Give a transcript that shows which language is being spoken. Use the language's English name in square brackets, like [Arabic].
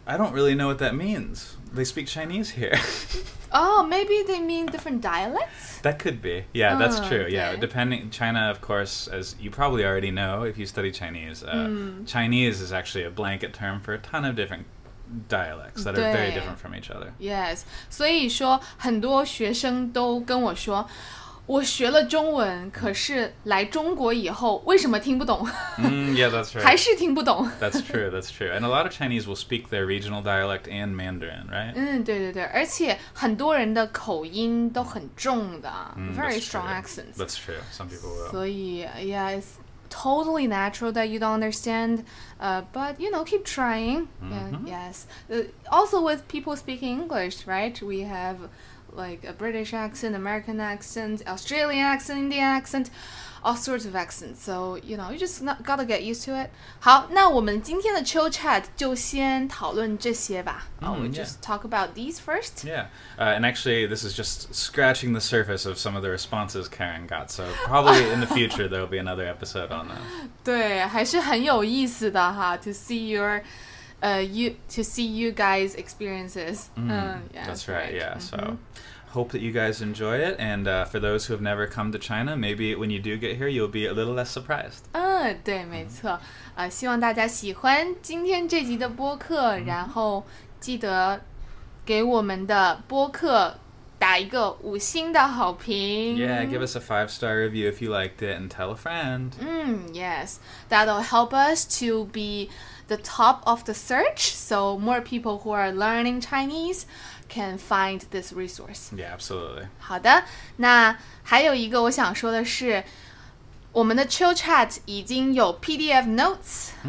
[English] I don't really know what that means. They speak Chinese here. Oh, maybe they mean different dialects? That could be. Yeah, that's true. Okay. Yeah, depending... China, of course, as you probably already know, if you study Chinese, Chinese is actually a blanket term for a ton of different dialects that are very different from each other. Yes. [Chinese] 所以说,很多学生都跟我说,我学了中文,可是来中国以后,为什么听不懂? [English] Yeah, that's right. [Chinese] 还是听不懂。 [English] That's true, that's true. And a lot of Chinese will speak their regional dialect and Mandarin, right? [Chinese] 对对对。而且很多人的口音都很重的。 [English] Very strong accents. That's true, some people will. [Chinese] 所以, [English] yeah, it's totally natural that you don't understand. But, you know, keep trying. Yes. Also with people speaking English, right? We have... like a British accent, American accent, Australian accent, Indian accent, all sorts of accents. So, you know, you just gotta get used to it. [Chinese] 好,那我们今天的Chill Chat就先讨论这些吧。 [English] We'll just talk about these first. Yeah, and actually this is just scratching the surface of some of the responses Karen got. So probably in the future there'll be another episode on that. [Chinese] 对,还是很有意思的哈, [English] to see your... to see you guys' experiences. So hope that you guys enjoy it. And for those who have never come to China, maybe when you do get here, you'll be a little less surprised. [Chinese] 对，没错。希望大家喜欢今天这集的播客，然后记得给我们的播客打一个五星的好评。 [English] Yeah, give us a 5-star review if you liked it, and tell a friend. Yes, that'll help us to be... the top of the search, so more people who are learning Chinese can find this resource. Yeah, absolutely. [Chinese] 好的，那还有一个我想说的是，我们的 Chill Chat 已经有 PDF notes.